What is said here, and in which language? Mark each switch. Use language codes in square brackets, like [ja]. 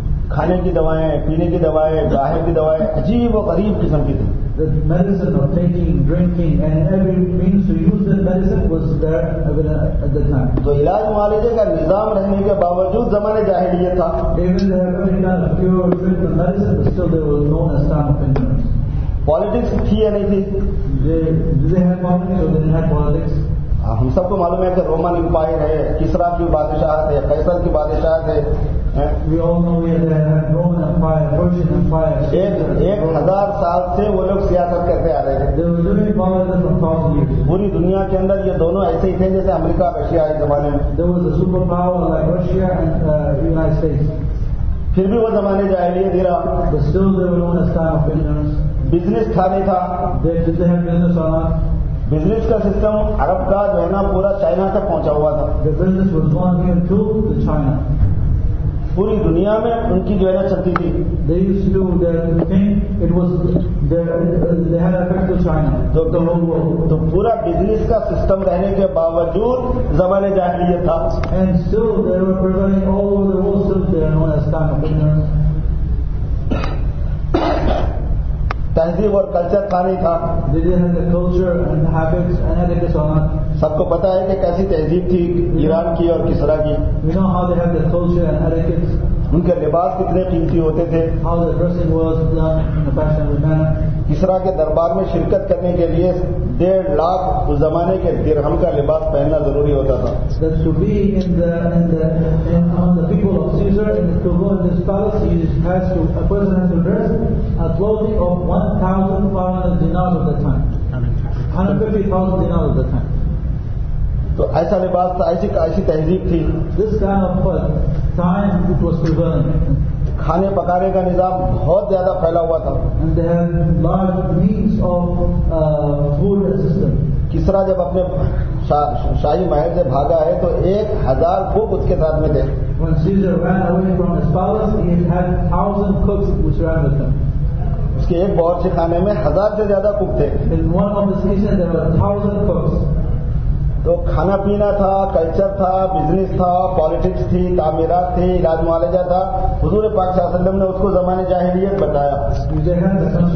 [ur] کھانے کی دوائیں پینے کی دوائیں گاہے کی دوائیں عجیب و غریب قسم کی تھی. [en] The medicine of taking, drinking and every means to use the medicine was there at the time. [ur] تو علاج معالجے کا نظام رہنے کے باوجود زمانے جاہلیت تھا. [en] Even the medical cure treatment the medicine but still there was known as time of ignorance. [ur] Politics تھی یا نہیں تھی؟ [en] Did they have politics or didn't have politics? [ur] ہم سب کو معلوم ہے کہ رومن امپائر ہے, کسرا کی بادشاہ تھے, قیصر کی بادشاہ تھے. [en] We all know we have Roman Empire, Persian Empire. [ur] 1000 سے وہ لوگ سیاست کرتے آ رہے تھے. پوری دنیا کے اندر یہ دونوں ایسے ہی تھے جیسے امریکہ رشیا ایک زمانے میں. [en] There was a super power like Russia and United States. [ur] پھر بھی وہ زمانے جاہلیت تھا. [en] But still they were known as time of ignorance. [ur] Business تھا نہیں تھا. [en] Did they have business or not? [ur] Business کا سسٹم عرب کا جو ہے نا پورا چائنا تک پہنچا ہوا تھا. [en] The business was going here to the China. [ur] پوری دنیا میں ان کی جو ہے نا چلتی تھی. [en] They used to do their thing. It was they had effect to China. [ur] تو پورا بزنس کا سسٹم رہنے کے باوجود زمانے جاہلیت تھا. [en] And still they were prevailing all over the world since they are known as time of ignorance. [ur] تہذیب اور کلچر تھا نہیں تھا. سب کو پتا ہے کہ کیسی تہذیب تھی ایران کی اور کسرا کی. [en] You know how they had their culture and etiquettes. [ur] ان کے لباس کتنے قیمتی ہوتے تھے. [en] How their dressing was done in a fashionable manner. [ur] کسرا کے دربار میں شرکت کرنے کے لیے 1.5 لاکھ اس زمانے کے درہم کا لباس پہننا ضروری ہوتا تھا. [en] That to be in the people of Caesar to go in this palace a person has to dress a clothing of 1,500 dinars of the time. 150,000 dinars of the time. [ur] تو ایسا لباس تھا, ایسی تہذیب تھی. [en] This kind of time it was prevalent. [ur] کھانے پکانے کا نظام بہت زیادہ پھیلا ہوا تھا. [en] And they had large means of food system. [ur] کسرا جب اپنے شاہی محل سے بھاگا ہے تو 1,000 کوک اس کے ساتھ میں تھے. [en] When Caesar ran away from his palace, he had 1,000 cooks which ran with him. [ur] اس کے ایک باورچی خانے میں 1,000 سے زیادہ کوک تھے. [en] In one of the kitchens there were 1,000 cooks. [ur] تو کھانا پینا تھا, کلچر تھا, بزنس تھا, پالیٹکس تھی, تعمیرات تھی, علاج معالجہ تھا. حضور پاک صلی اللہ علیہ وسلم نے اس کو زمانے جاہلیت بتایا.